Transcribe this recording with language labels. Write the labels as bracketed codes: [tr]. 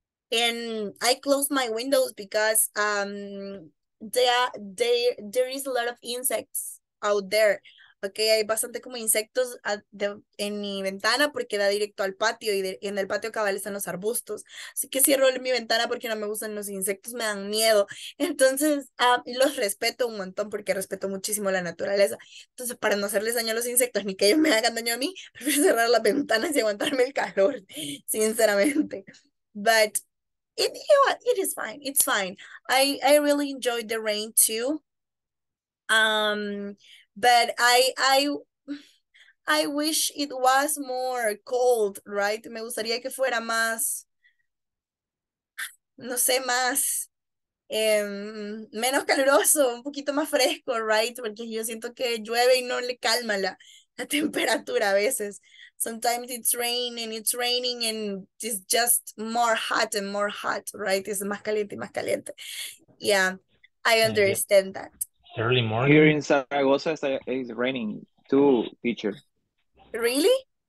[en] And I closed my windows because there is a lot of insects out there. [es] Okay, hay bastante como insectos en mi ventana porque da directo al patio y en el patio cabal están los arbustos. Así que cierro mi ventana porque no me gustan los insectos, me dan miedo. Entonces, los respeto un montón porque respeto muchísimo la naturaleza. Entonces, para no hacerles daño a los insectos ni que ellos me hagan daño a mí, prefiero cerrar las ventanas y aguantarme el calor, sinceramente. But [en] It is fine. It's fine. I really enjoyed the rain too. But I wish it was more cold, right? [es] Me gustaría que fuera más, no sé, más, menos caluroso, un poquito más fresco, right? Porque yo siento que llueve y no le calma la temperatura a veces. [en] Sometimes it's raining and it's just more hot, right? It's [es] más caliente y más caliente. [en] Yeah, I understand that. Early morning. Here in Zaragoza, it's raining too, teacher. Really?